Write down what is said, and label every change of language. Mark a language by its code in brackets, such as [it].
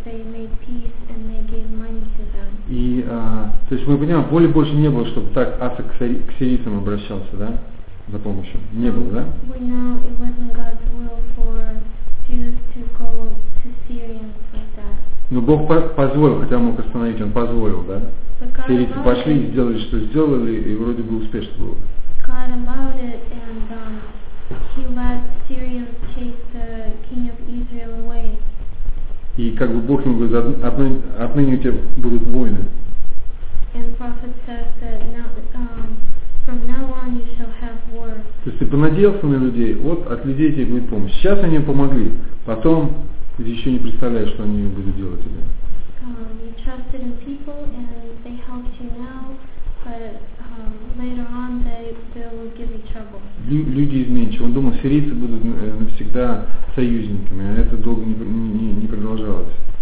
[en] They made peace and they gave money to them. [ru] И то есть мы понимаем, воли Божьей не было, чтобы так Аса к сирийцам обращался, да? За помощью. Не было, да? [en] We know it wasn't God's will for Jews to go to Syrians like that. [ru] Но Бог позволил, хотя мог остановить, Он позволил, да? Сирийцы пошли и сделали, что сделали, и вроде бы успешно было. [en] God allowed it, and He let Syrians chase the king of Israel away. [ru] И как бы Бог ему говорит, отныне у тебя будут войны. [en] And prophet says that from now on you shall have war. [ru] То есть ты понадеялся на людей, вот от людей тебе будет помощь. Сейчас они помогли, потом ты еще не представляешь, что они будут делать тебе. [en] You trusted in people and they helped you now, but later on they will give you trouble. [ru] Люди изменчивы. Он думал, сирийцы будут навсегда союзниками, а это долго не продолжалось.